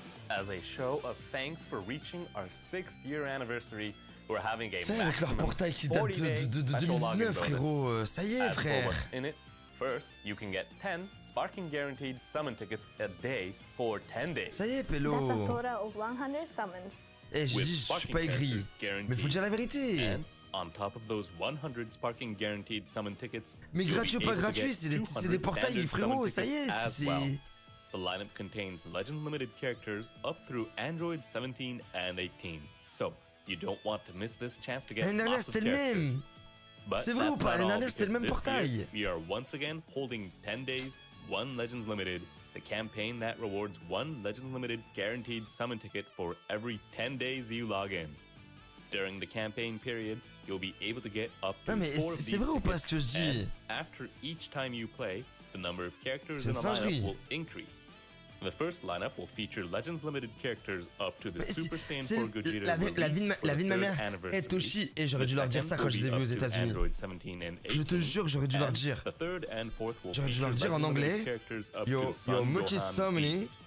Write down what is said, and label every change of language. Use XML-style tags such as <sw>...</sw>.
<en>As a show of thanks for reaching our 6-year anniversary, we're having a maximum 40 days</en> <fr>C'est avec leur portail qui date de 2019, frérot. Ça y est, frère.</fr> <en>In it, first, you can get 10 sparking guaranteed summon tickets a day for 10 days.</en> <fr>Ça y est, Pélo.</fr> <en>That's a total of 100 summons.</en> <fr>Eh, j'ai dit, je suis pas aigri. Mais faut dire la vérité.</fr> <en>On top of those 100 sparking guaranteed summon tickets,</en> <fr>mais gratuit ou pas gratuit, c'est des portails, frérot. Ça y est, c'est...</fr> <en>The lineup contains Legends Limited characters up through Android 17 and 18. So, you don't want to miss this chance to get lots of characters.</en> <fr>L'année dernière, c'était le même. C'est vrai ou pas, l'année dernière, c'était le même portail.</fr> <en>We are once again holding 10 days, one Legends Limited, the campaign that rewards one Legends Limited guaranteed summon ticket for every 10 days you log in. During the campaign period, you'll be able to get up to 4 of these tickets.</en> <fr>Non mais c'est vrai ou pas ce que je dis?</fr> <en>After each time you play, the number of characters in the lineup will increase. The first lineup will feature Legends Limited characters up to the Super Saiyan 4 Gogeta</en> <fr>la vie de ma mère est Toshi, et j'aurais dû leur dire ça quand je les ai vus aux États-Unis. Je te jure que j'aurais dû leur dire. J'aurais dû leur dire en anglais,</fr> <en>yo, much is summoning.</en>